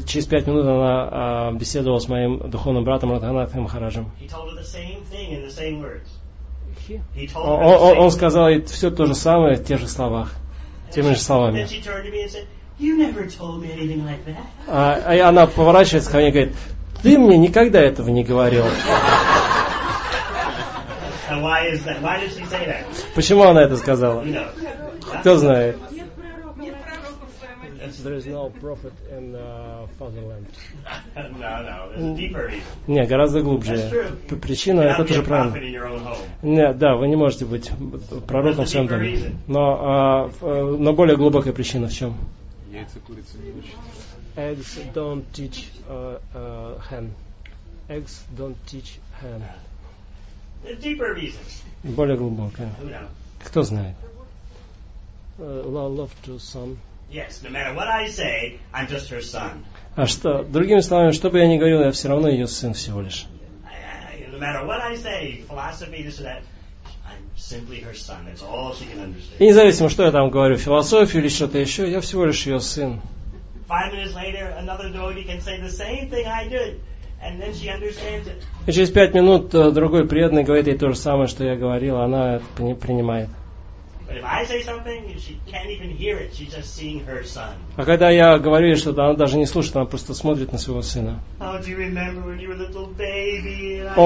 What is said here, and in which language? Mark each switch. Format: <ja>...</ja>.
<ru>И через 5 минут она беседовала с моим духовным братом Радханатхом Махараджем.</ru> <en>He told her the same thing in the same words.</en> <ru>Он сказал ей все то же самое в тех же словах, теми же словами.</ru> <en>And she turned to me and said, "You never told me anything like that."</en> <ru>И она поворачивается ко мне и говорит, "Ты мне никогда этого не говорил."</ru> <en>And why is that? Why did she say that?</en> <ru>Почему она это сказала? Кто знает?</ru> <en>There is no prophet in fatherland. No, there's a deeper reason.</en> <ru>Не, гораздо глубже. Причина это тоже правильно. Нет, да, вы не можете быть пророком в своем доме. Но более глубокая причина в чем? Яйца курицы не учат.</ru> <en>Eggs don't teach hen. Eggs don't teach hen. Deeper reasons.</en> <ru>Более глубокая. Кто знает?</ru> <en>Love to son. Yes, no matter what I say, I'm just her son.</en> <ru>А что? Другими словами, что бы я ни говорил, я все равно ее сын всего лишь.</ru> <en>No matter what I say, philosophy, this or that, I'm simply her son. That's all she can understand.</en> <ru>И независимо, что я там говорю, философию или что-то еще, я всего лишь ее сын.</ru> <en>5 minutes later, another devotee can say the same thing I did, and then she understands it.</en> <ru>И через 5 минут другой преданный говорит ей то же самое, что я говорил, она это принимает.</ru> <en>But if I say something, she can't even hear it. She's just seeing her son.</en> <ru>А когда я говорю ей что-то, она даже не слушает, она просто смотрит на своего сына.</ru> <en>Oh, do you remember when you were a little baby?</en>